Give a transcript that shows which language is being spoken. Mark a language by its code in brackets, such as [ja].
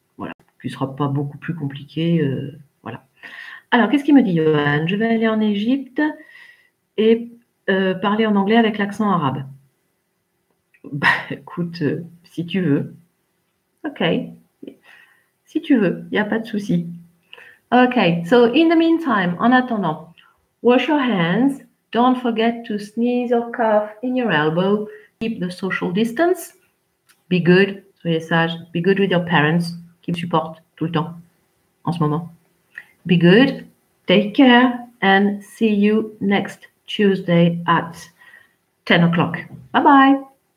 [fr] Qui ne sera pas beaucoup plus compliqué. Voilà. Alors, qu'est-ce qu'il me dit, Johan? Je vais aller en Égypte et parler en anglais avec l'accent arabe. Bah, écoute, si tu veux. OK. Si tu veux, il n'y a pas de souci. OK. [en] So, in the meantime, [fr] en attendant, [en] wash your hands. Don't forget to sneeze or cough in your elbow. Keep the social distance. Be good. [fr] Soyez sage. [en] Be good with your parents. [fr] Qui me supporte tout le temps en ce moment. [en] Be good, take care, and see you next Tuesday at 10 o'clock. Bye bye!